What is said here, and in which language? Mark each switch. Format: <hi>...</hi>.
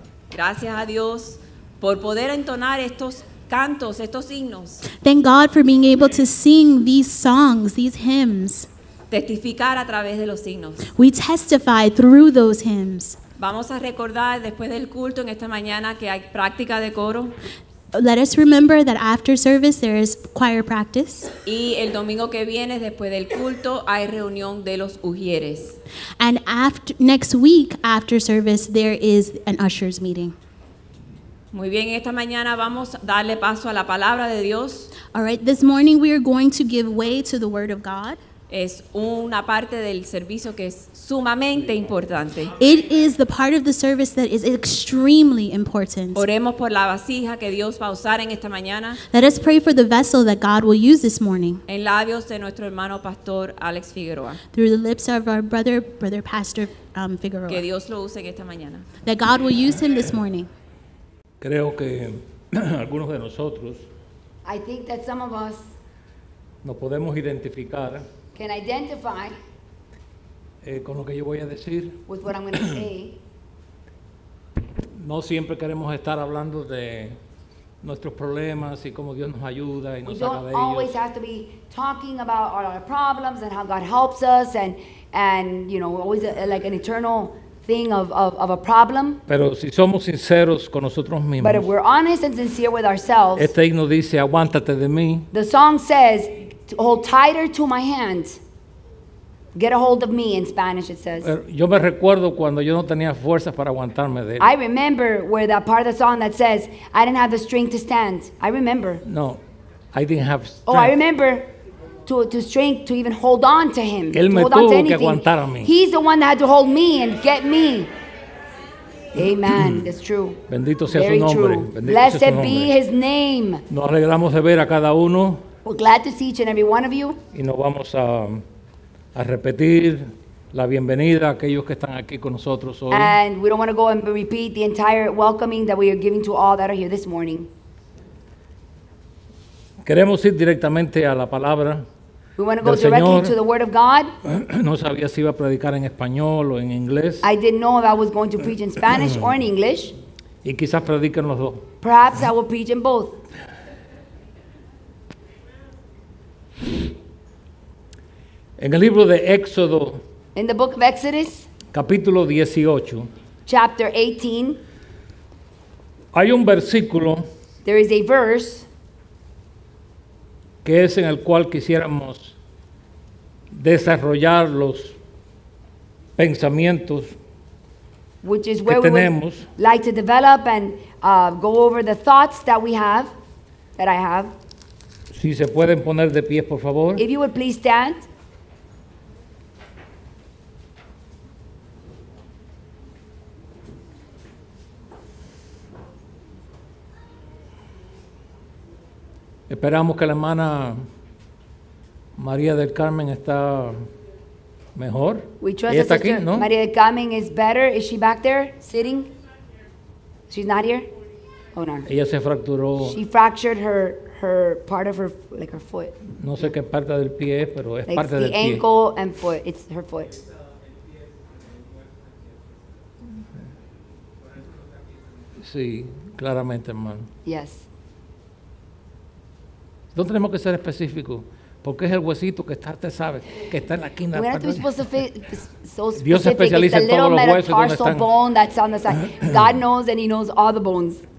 <es>gracias a Dios por poder entonar estos cantos, estos himnos.</es> <en>Thank God for being able to sing these songs, these hymns.</en> <es>Testificar a través de los himnos.</es> <en>We testify through those hymns.</en> <es>Vamos a recordar después del culto en esta mañana que hay práctica de coro.</es> <en>Let us remember that after service there is choir practice.</en> <es>Y el domingo que viene después del culto hay reunión de los ujieres.</es> <en>And after next week after service there is an ushers meeting.</en> <es>Muy bien, esta mañana vamos a darle paso a la palabra de Dios.</es> <en>All right, this morning we are going to give way to the word of God.</en> <es>Es una parte del servicio que es sumamente importante.</es> <en>It is the part of the service that is extremely important.</en> <es>Oremos por la vasija que Dios va a usar en esta mañana.</es> <en>Let us pray for the vessel that God will use this morning.</en> <es>En labios de nuestro hermano pastor Alex Figueroa.</es> <en>Through the lips of our brother pastor Figueroa.</en> <es>Que Dios lo use en esta mañana.</es> <en>That God will use him this morning.</en> <es>Creo que algunos de nosotros.</es> <en>I think that some of us.</en> <es>Nos podemos identificar.</es> <en>Can identify</en> <es>con lo que yo voy a decir.</es> <en>With what I'm going to say.</en> <es>No siempre queremos estar hablando de nuestros problemas y cómo Dios nos ayuda y nos saca de ellos.</es> <en>We don't always have to be talking about our problems and how God helps us and you know, always like an eternal thing of a problem.</en> <es>Pero si somos sinceros con nosotros mismos.</es> <en>But if we're honest and sincere with ourselves.</en> <es>Este himno dice, aguántate de mí.</es> <en>The song says, hold tighter to my hand. Get a hold of me, in Spanish it says.</en> <es>Yo me recuerdo cuando yo no tenía fuerzas para aguantarme de él.</es> <en>I remember where that part of the song that says, I didn't have the strength to stand. I remember. No, I didn't have strength. Oh, I remember to strength to even hold on to him.</en> <es>Él</es> <en>to</en> <es>me</es> <en>hold</en> <es>tuvo</es> <en>on to anything.</en> <es>Que aguantar a mí.</es> <en>He's the one that had to hold me and get me. Amen. It's true.</en> <es>Bendito sea su nombre.</es> <en>Blessed be his name.</en> <es>Nos alegramos de ver a cada uno.</es> <en>We're glad to see each and every one of you.</en> <es>Y nos vamos a repetir la bienvenida a aquellos que están aquí con nosotros hoy.</es> <en>And we don't want to go and repeat the entire welcoming that we are giving to all that are here this morning.</en> <es>Queremos ir directamente a la palabra.</es> <en>We want to go directly to the word of God.</en> <es>No sabía si iba a predicar en español o en inglés.</es> <en>I didn't know if I was going to preach in Spanish or in English.</en> <es>Y quizás predique en los dos.</es> <en>Perhaps I will preach in both.</en> <es>En el libro de Éxodo,</es> <en>in the book of Exodus,</en> <es>capítulo 18,</es> <en>chapter 18,</en> <es>hay un versículo,</es> <en>there is a verse,</en> <es>que es en el cual quisiéramos desarrollar los pensamientos</es> <en>which is where</en> <es>que tenemos,</es> <en>we would like to develop and go over the thoughts that we have, that I have.</en> <es>Si se pueden poner de pie, por favor.</es> <en>If you would please stand.</en> <es>Esperamos que la hermana María del Carmen está mejor.</es> <en>We trust</en> <es>ella está aquí, ¿no?</es> <en>María del Carmen is better. Is she back there sitting? She's not here. Oh no.</en> <es>Ella se fracturó.</es> <en>She fractured her part of her, like her foot.</en> <es>No sé qué parte del pie es, pero es</es> <en>like</en> <es>parte del pie.</es> <en>It's the ankle and foot. It's her foot.</en> <es>Sí, claramente, hermano.</es> <en>Yes.</en> <es>No tenemos que ser específicos, porque es el huesito que está, te sabes, que está en la quina.</es> <en>We're not to be specific.</en> <es>Dios especializa en todos los huesos donde están.</es> <en>It's the little metatarsal bone that's on the side. God knows and he knows all the bones.</en>